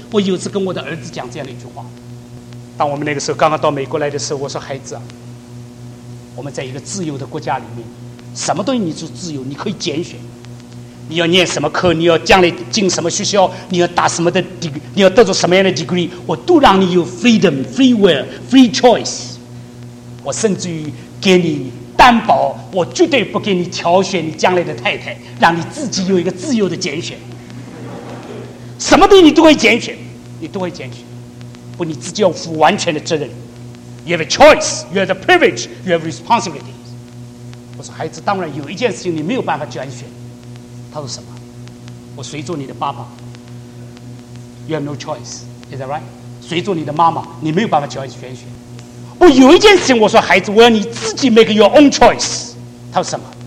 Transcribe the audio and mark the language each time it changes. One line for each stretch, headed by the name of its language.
Chinese: 我有一次跟我的儿子讲这样的一句话，当我们那个时候刚刚到美国来的时候，我说孩子啊，我们在一个自由的国家里面，什么东西你是自由，你可以拣选，你要念什么科，你要将来进什么学校，你要打什么的 degree， 你要得到什么样的 degree， 我都让你有 freedom， free will， free choice。我甚至于给你担保，我绝对不给你挑选你将来的太太，让你自己有一个自由的拣选，什么东西你都会拣选，你都会拣选，不，你自己要负完全的责任。
English: You have a choice， you have the privilege， you have responsibility。
Chinese: 我说孩子，当然有一件事情你没有办法拣选。他说什么？我谁做你的爸爸？ You have no choice， is that right？谁做你的妈妈？你没有办法挑选选。我有一件事情，我说孩子，我要你自己 make your own choice。他说什么？